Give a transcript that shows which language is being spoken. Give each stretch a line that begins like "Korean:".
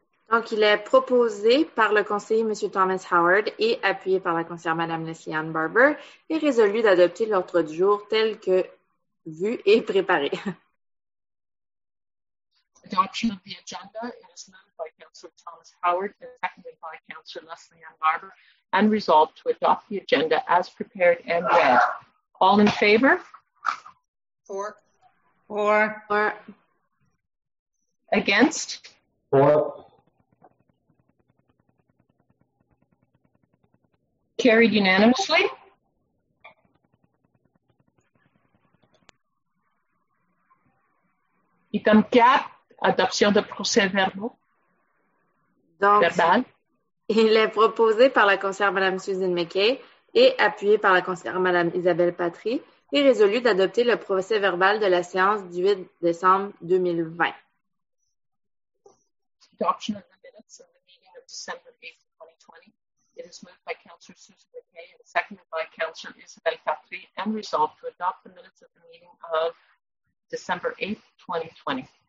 French: Donc, il est proposé par le conseiller M. Thomas Howard et appuyé par la conseillère Mme Leslie Ann Barber et résolu d'adopter l'ordre du jour tel que vu et préparé.
English: Adoption of the agenda is moved by Councillor Thomas Howard and seconded by Councillor Leslie Ann Barber and resolved to adopt the agenda as prepared and read. All in favor? Four. Four. Four. Against? Four. Carried unanimously. Item 4,
French: adoption de procès-verbaux. Donc, verbal. Il est proposé par la conseillère Mme Susan McKay et appuyé par la conseillère Mme Isabelle Patry et résolu d'adopter le procès-verbal de la séance du 8 décembre 2020.
English: Adoption of the minutes of the meeting of December 8th, 2020. It is moved by Councillor Susan McKay and seconded by Councillor Isabel Capri and resolved to adopt the minutes of the meeting of December 8th, 2020.